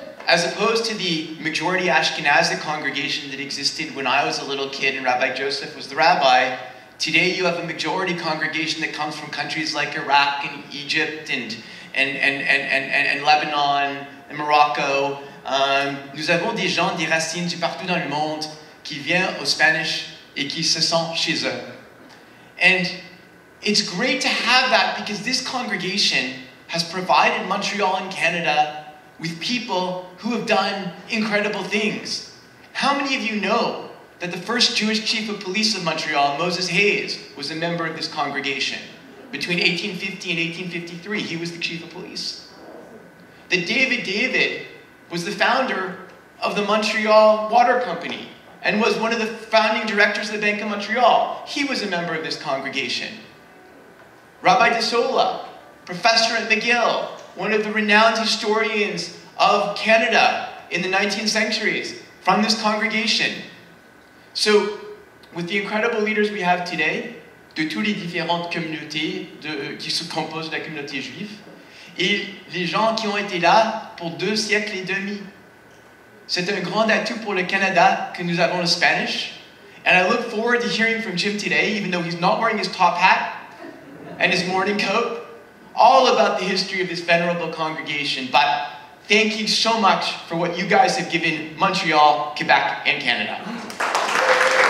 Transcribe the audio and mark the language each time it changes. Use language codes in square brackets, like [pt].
[en] as opposed to the majority Ashkenazic congregation that existed when I was a little kid and Rabbi Joseph was the rabbi, today you have a majority congregation that comes from countries like Iraq and Egypt and Lebanon and Morocco. [fr] Nous avons des gens, des racines de partout dans le monde qui viennent au Spanish et qui se sent chez eux. [en] And it's great to have that because this congregation has provided Montreal and Canada with people who have done incredible things. How many of you know that the first Jewish chief of police of Montreal, Moses Hayes, was a member of this congregation? Between 1850 and 1853, he was the chief of police. That David was the founder of the Montreal Water Company and was one of the founding directors of the Bank of Montreal. He was a member of this congregation. Rabbi DeSola, professor at McGill, one of the renowned historians of Canada in the 19th centuries, from this congregation. So, with the incredible leaders we have today, [fr] de toutes les différentes communautés qui se composent de la communauté juive, et les gens qui ont été là pour deux siècles et demi. C'est un grand atout pour le Canada que nous avons le Spanish. [en] And I look forward to hearing from Jim today, even though he's not wearing his top hat and his morning coat, all about the history of this venerable congregation. But thank you so much for what you guys have given Montreal, Quebec, and Canada.